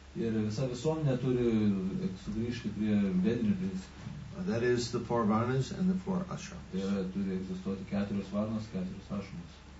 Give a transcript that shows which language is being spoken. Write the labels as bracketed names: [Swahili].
[Lithuanian] Ir visa visuomenė turi sugrįžti prie vedinių principų. [English] That is the four varnas and the four ashrams. [Lithuanian] Tai yra, turi egzistuoti keturios varnos, keturios ashrams.